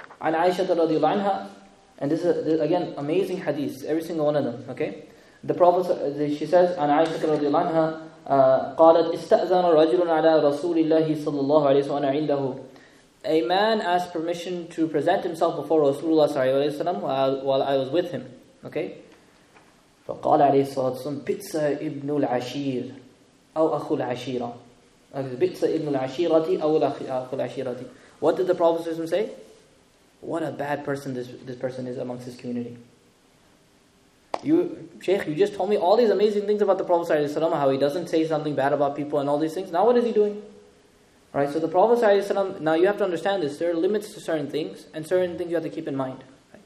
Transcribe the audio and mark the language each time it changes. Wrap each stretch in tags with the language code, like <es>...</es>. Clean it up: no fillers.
<ar>An Aisha radiallahu anha.</ar> <en>And this is, again, amazing hadith. Every single one of them. Okay? The Prophet, she says,</en> <ar>An Aisha radiallahu anha. قالت استأذن رجل على رسول الله صلى الله عليه وسلم عنده. A man asked permission to present himself before Rasulullah sallallahu alaihi wasallam while I was with him. Okay. فقال عليه الصلاة والسلام بئس ابن العشير أو أخو العشيرة. بئس ابن العشيرة أو أخو العشيرة.</ar> <en>What did the Prophet say? What a bad person this person is amongst his community. You, Shaykh, you just told me all these amazing things about the Prophet sallallahu alaihi wasallam, how he doesn't say something bad about people and all these things. Now what is he doing? Right, so the Prophet sallallahu alaihi wasallam, now you have to understand this, there are limits to certain things, and certain things you have to keep in mind. Right?</en>